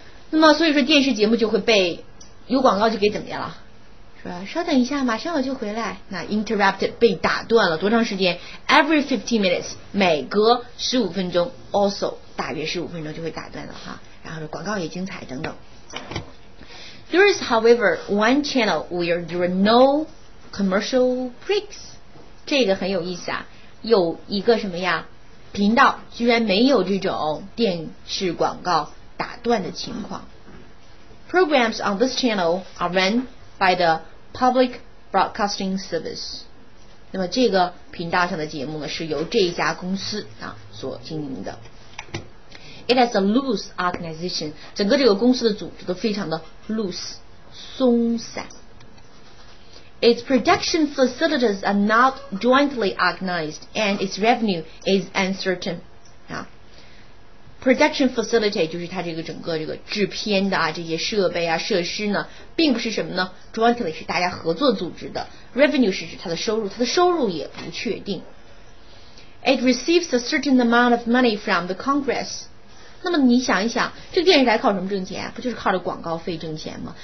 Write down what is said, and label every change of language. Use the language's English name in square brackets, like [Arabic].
[Chinese] 那么所以说电视节目就会被有广告就给怎么样了？是吧？稍等一下，马上我就回来。那 interrupted 被打断了多长时间 ？ [English] Every 15 minutes， [Chinese] 每隔15分钟 ，also。大约15分钟就会打断了哈，然后广告也精彩等等。 [English] There is, however, one channel where there are no commercial breaks. [Chinese] 这个很有意思啊，有一个什么呀？频道居然没有这种电视广告打断的情况。 [English] Programs on this channel are run by the Public Broadcasting Service. [Chinese] 那么这个频道上的节目呢，是由这一家公司啊所经营的。 [English] It has a loose organization. [Chinese] 整个这个公司的组织都非常的 loose, 松散。 [English] Its production facilities are not jointly organized, and its revenue is uncertain. [Chinese] 啊 ，production facility 就是它这个整个这个制片的啊这些设备啊设施呢，并不是什么呢 ？Jointly 是大家合作组织的 ，revenue 是指它的收入，它的收入也不确定。 [English] It receives a certain amount of money from the Congress. [Chinese] 那么你想一想，这个电视台靠什么挣钱？不就是靠着广告费挣钱吗？